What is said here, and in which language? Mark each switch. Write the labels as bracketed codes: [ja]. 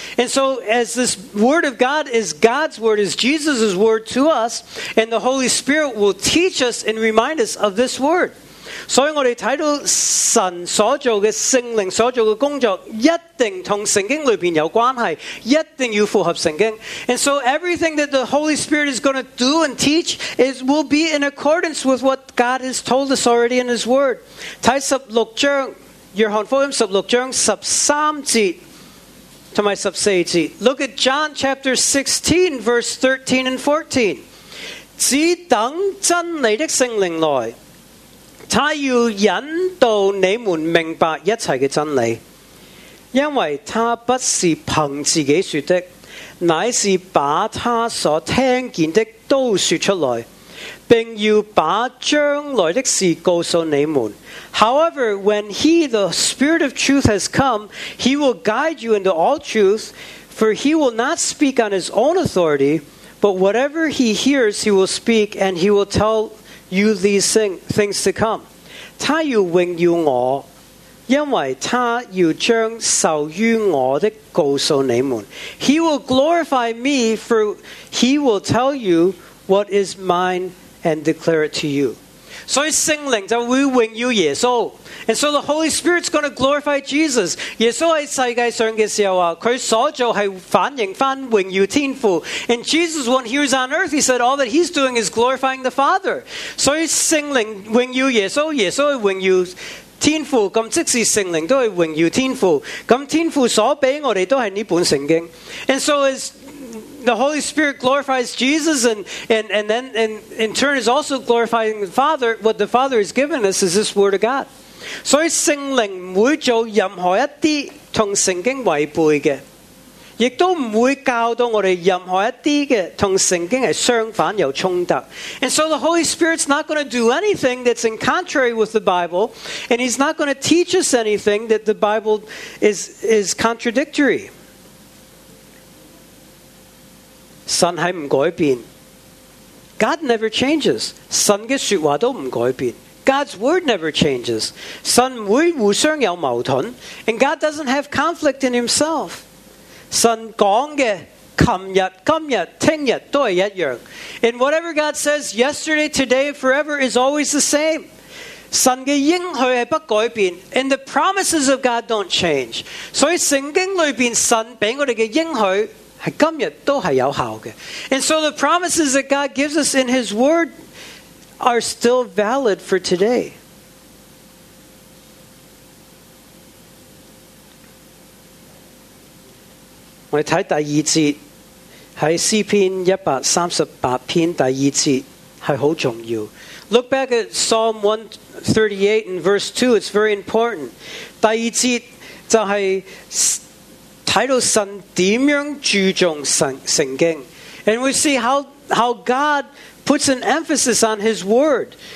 [en] And so as this Word of God is God's Word, is Jesus' Word to us, and the Holy Spirit will teach us and remind us of this Word. [zh] 所以我们看到神所做的，圣灵所做的工作一定跟圣经里面有关系，一定要符合圣经。 [en] And so everything that the Holy Spirit is going to do and teach is, will be in accordance with what God has told us already in His Word. [zh] 看十六章，约翰福音十六章十三节和十四节。 [en] Look at John chapter 16 verse 13 and 14. [zh] 只等真理的圣灵来，他要引导你们明白一切的真理，因为他不是凭自己说的，乃是把他所听见的都说出来，并要把将来的事告诉你们。 [en] However, when he, the Spirit of Truth, has come, he will guide you into all truth, for he will not speak on his own authority, but whatever he hears, he will speak, and he will tell you these things to come. [zh] 他要荣耀我，因为他要将授予我的告诉你们。 [en] He will glorify me, for he will tell you what is mine and declare it to you. [zh] 所以圣灵就会荣耀耶稣。 [en] And so the Holy Spirit's going to glorify Jesus. [zh] 耶稣在世界上的时候，他所做是反映翻荣耀天父。 [en] And Jesus, when he was on earth, he said all that he's doing is glorifying the Father. [zh] 所以圣灵荣耀耶稣，耶稣荣耀天父，咁即使圣灵都是荣耀天父，咁天父所给我们都是这本圣经。 [en] And so as the Holy Spirit glorifies Jesus, and then in turn is also glorifying the Father, what the Father has given us is this Word of God. [zh] 所以圣灵不会做任何一些跟圣经违背的，亦都不会教导我们任何一些的跟圣经是相反有冲突。 [en] And so the Holy Spirit's not going to do anything that's in contrary with the Bible, and he's not going to teach us anything that the Bible is contradictory. [zh] 神是不改变。 [en] God never changes. [zh] 神的说话都不改变。 [en] God's word never changes. [zh] 神不会互相有矛盾。 [en] And God doesn't have conflict in himself. [zh] 神讲的昨日、今日、听日都是一样。 [en] And whatever God says yesterday, today, forever is always the same. [zh] 神的应许是不改变 [en] and the promises of God don't change. [zh] 所以圣经里面神给我们的应许是今日都是有效的。 [en] And so the promises that God gives us in his word are still valid for today. [zh] 我们看第二节在诗篇138篇第二节是很重要。 [en] Look back at Psalm 138 and verse 2. It's very important. [zh] 第二节就是睇到神怎样注重圣经。 [en] And we see how God puts an emphasis on his word.